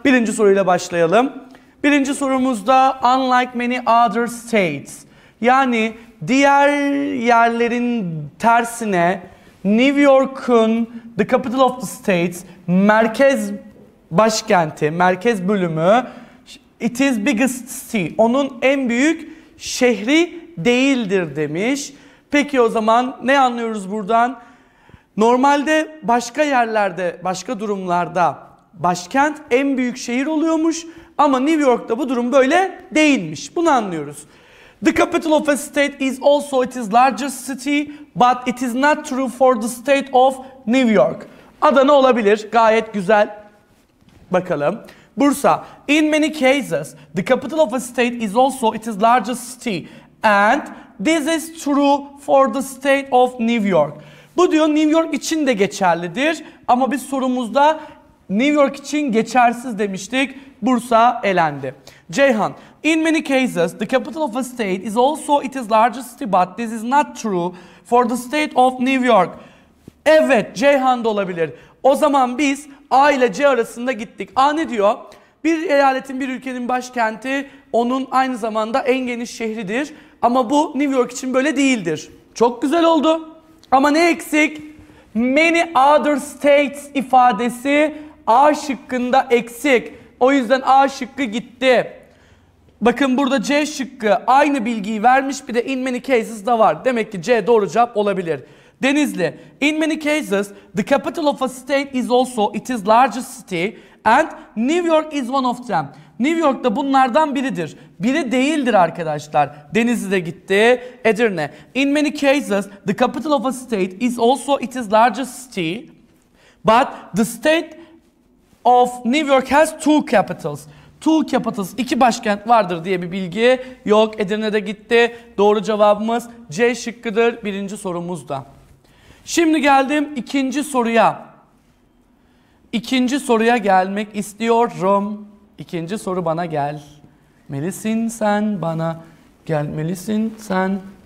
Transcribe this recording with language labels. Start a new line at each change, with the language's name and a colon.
Turkish: Birinci soruyla başlayalım. Birinci sorumuzda
English: unlike many other states,
Turkish: yani diğer yerlerin tersine New York'un
English: the capital of the state,
Turkish: merkez başkenti, merkez bölümü,
English: it is biggest city,
Turkish: onun en büyük şehri değildir demiş. Peki o zaman ne anlıyoruz buradan? Normalde başka yerlerde, başka durumlarda başkent en büyük şehir oluyormuş ama New York'ta bu durum böyle değilmiş. Bunu anlıyoruz.
English: The capital of a state is also its largest city, but it is not true for the state of New York.
Turkish: Adana olabilir. Gayet güzel. Bakalım. Bursa.
English: In many cases, the capital of a state is also its largest city. And this is true for the state of New York.
Turkish: Bu diyor New York için de geçerlidir. Ama biz sorumuzda New York için geçersiz demiştik. Bursa elendi. Ceyhan.
English: In many cases the capital of a state is also its largest city, but this is not true for the state of New York.
Turkish: Evet, Ceyhan da olabilir. O zaman biz A ile C arasında gittik. A ne diyor? Bir eyaletin, bir ülkenin başkenti onun aynı zamanda en geniş şehridir. Ama bu New York için böyle değildir. Çok güzel oldu. Ama ne eksik?
English: Many other states
Turkish: ifadesi A şıkkında eksik. O yüzden A şıkkı gitti. Bakın burada C şıkkı aynı bilgiyi vermiş. Bir de
English: in many cases
Turkish: da var. Demek ki C doğru cevap olabilir. Denizli.
English: In many cases the capital of a state is also its largest city and New York is one of them.
Turkish: New York da bunlardan biridir. Biri değildir arkadaşlar. Denizli de gitti. Edirne.
English: In many cases the capital of a state is also its largest city but the state of New York has two capitals. Two capitals,
Turkish: iki başkent vardır diye bir bilgi yok. Edirne'de gitti. Doğru cevabımız C şıkkıdır birinci sorumuzda. Şimdi geldim ikinci soruya. İkinci soruya gelmek istiyorum. İkinci soru bana gelmelisin sen, bana gelmelisin sen.